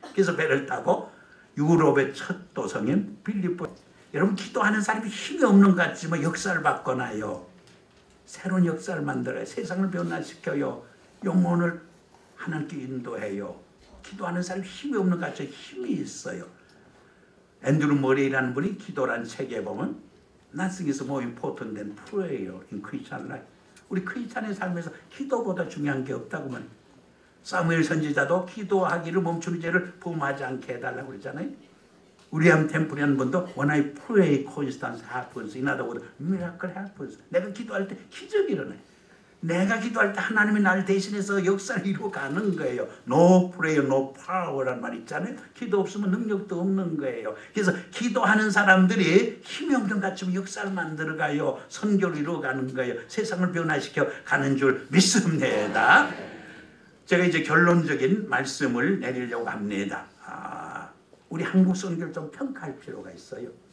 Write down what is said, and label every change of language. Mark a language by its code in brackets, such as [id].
[ko] 그래서 배를 타고 유럽의 첫 도성인 빌립보. 여러분 기도하는 사람이 힘이 없는 것 같지만 역사를 바꿔놔요. 새로운 역사를 만들어요. 세상을 변화시켜요. 영혼을 하나님께 인도해요. 기도하는 사람이 힘이 없는 것 같죠. 힘이 있어요. 앤드루 머레이라는 분이 기도란 책에 보면 [en] Nothing is more important than prayer in Christian life. [ko] 우리 크리스찬의 삶에서 기도보다 중요한 게 없다고 말. 사무엘 선지자도 기도하기를 멈추는 죄를 범하지 않게 해달라고 그랬잖아요. 윌리엄 템플이라는 분도 [en] When I pray, constant happens. In other words, miracle happens. [ko] 내가 기도할 때 기적이 일어나요. 내가 기도할 때 하나님이 날 대신해서 역사를 이루어가는 거예요. [en] No prayer, no power란 [ko] 말 있잖아요. 기도 없으면 능력도 없는 거예요. 그래서 기도하는 사람들이 힘이 없는 것 같지만 역사를 만들어가요. 선교를 이루어가는 거예요. 세상을 변화시켜 가는 줄 믿습니다. 제가 이제 결론적인 말씀을 내리려고 합니다. 아, 우리 한국 선교를 좀 평가할 필요가 있어요.